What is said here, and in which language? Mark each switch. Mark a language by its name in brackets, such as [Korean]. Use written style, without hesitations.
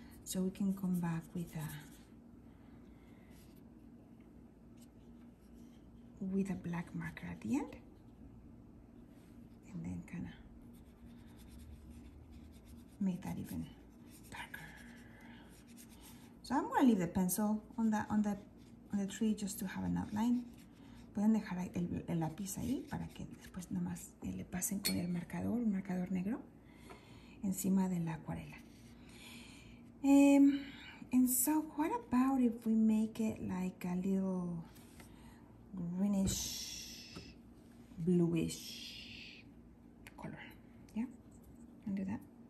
[English] so we can come back with a black marker at the end, and then kind of make that even darker. So I'm gonna leave the pencil on that on the tree just to have an outline. [Spanish] Pueden dejar el lápiz ahí para que después nomás le pasen con el marcador, un marcador negro, encima de la acuarela. [English] And so what about if we make it like a little greenish, bluish color? Yeah, and do that.